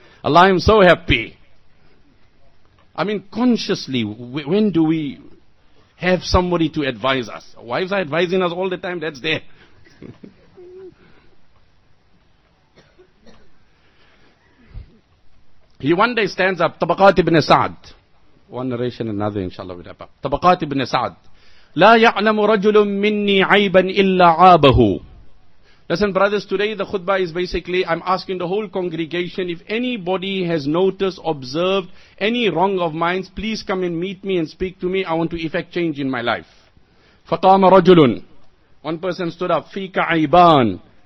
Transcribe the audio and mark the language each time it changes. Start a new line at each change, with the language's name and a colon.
English: Allah, I'm so happy. I mean, consciously, when do we have somebody to advise us? Wives are advising us all the time, that's there. He one day stands up, Tabaqat ibn Sa'd. One narration, another, inshallah, we'll wrap up. Tabaqat ibn Sa'd.
Arabic: لا يعلم رجل مني عيبا إلا عابه.
English: Listen, brothers, today the khutbah is basically, I'm asking the whole congregation, if anybody has noticed, observed any wrong of mine, please come and meet me and speak to me. I want to effect change in my life.
Arabic: فقام رجل.
English: One person stood up.
Arabic: فيك عيبان.